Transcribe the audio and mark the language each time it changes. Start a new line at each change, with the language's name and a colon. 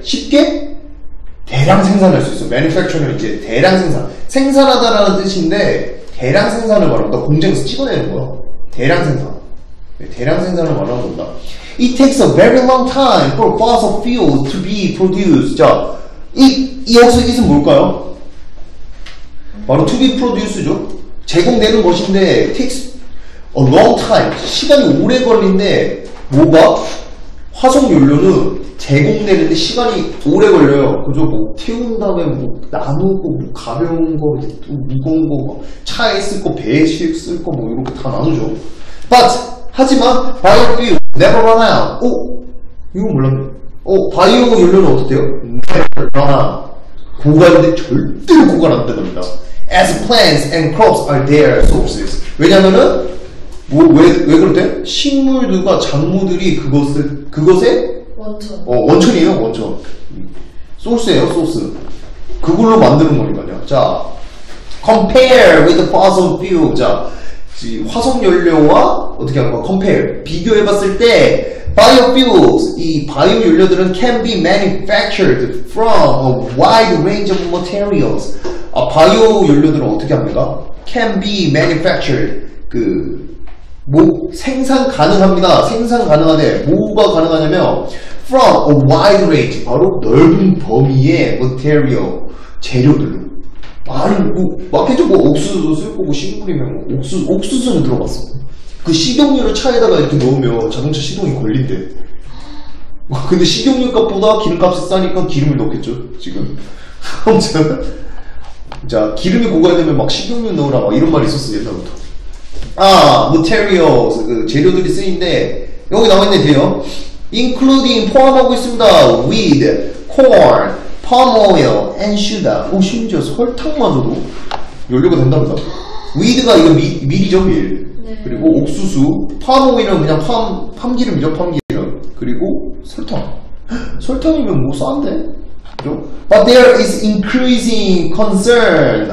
Korean: 쉽게 대량 생산할 수 있어요. Manufacture는 이제 대량 생산. 생산하다라는 뜻인데 대량 생산을 말합니다. 공장에서 찍어내는 거야. 대량 생산. 대량 생산을 말하는 겁니다.
English: It takes a very long time for fossil fuels to be produced.
Korean: 자, 여기서 it은 뭘까요?
English: 바로 to be produced죠.
Korean: 제공되는 것인데
English: takes a long time.
Korean: 시간이 오래 걸리는데, 뭐가? 화석연료는 제공되는데 시간이 오래 걸려요. 그죠? 뭐, 태운 다음에 뭐, 나누고, 뭐, 가벼운 거, 또 무거운 거, 막, 차에 쓸 거, 배에 쓸 거, 뭐, 이렇게 다 나누죠.
English: But,
Korean: 하지만,
English: biofuel never run out.
Korean: 어? 이건 몰랐네. 어, 바이오 연료는 어떻대요?
English: Never run out.
Korean: 고갈인데 절대로 고갈 안 된답니다.
English: As plants and crops are their sources.
Korean: 왜냐면은 왜 그럴대? 식물들과 작물들이 그것의 원천. 원천이에요, 원천. 소스예요, 소스. 그걸로 만드는 거니까요.
English: 자, compare with fossil fuel.
Korean: 자, 화석 연료와 어떻게 할까?
English: compare 비교해 봤을 때 biofuels
Korean: 이 바이오 연료들은
English: can be manufactured from a wide range of materials.
Korean: 아, 바이오 연료들은 어떻게 합니까?
English: can be manufactured
Korean: 그 뭐 생산 가능합니다. 생산 가능한데 뭐가 가능하냐면
English: from a wide range
Korean: 바로 넓은 범위의 material 재료들로 많은 뭐 맞겠죠? 뭐 옥수수도 쓸 거고 식물이면 뭐 옥수수는 들어봤어. 그 식용유를 차에다가 이렇게 넣으면 자동차 시동이 걸린대. 근데 식용유 값보다 기름값이 싸니까 기름을 넣겠죠 지금. 아무튼 자 기름이 고갈되면 막 식용유 넣으라 막 이런 말이 있었어 옛날부터. 아, materials, 그 재료들이 쓰인데 여기 나와있네, 돼요. including, 포함하고 있습니다.
English: weed, corn, palm oil, and sugar.
Korean: 오, 심지어 설탕마저도 연료가 된답니다. weed가 이거 밀이죠, 밀. 네. 그리고 옥수수, palm oil은 그냥 팜기름이죠, 팜기름. 그리고 설탕. 설탕이면 뭐 싼데? 그죠?
English: but there is increasing concern.